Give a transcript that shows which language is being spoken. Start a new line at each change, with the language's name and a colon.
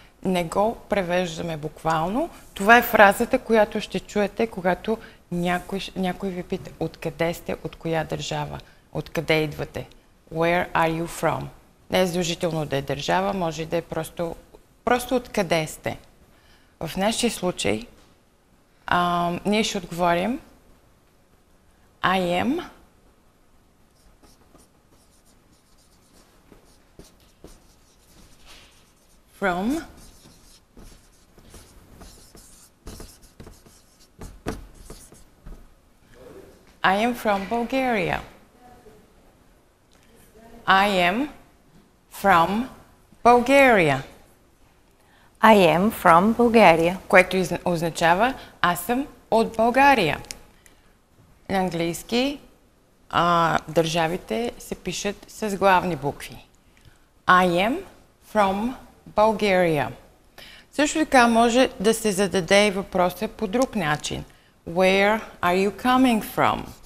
Bulgarian: Не го превеждаме буквално. Това е фразата, която ще чуете, когато някой ви пита откъде сте, от коя държава, откъде идвате.
English: Where are you from?
Bulgarian: Не е задължително да е държава, може да е просто откъде сте. В нашия случай ние ще отговорим
English: I am from I am from Bulgaria. I am from Bulgaria. I am from Bulgaria.
Bulgarian: Което означава аз съм от България. На английски държавите се пишат с главни букви.
English: I am from Bulgaria.
Bulgarian: Също така може да се зададе и въпроса по друг начин.
English: Where are you coming from?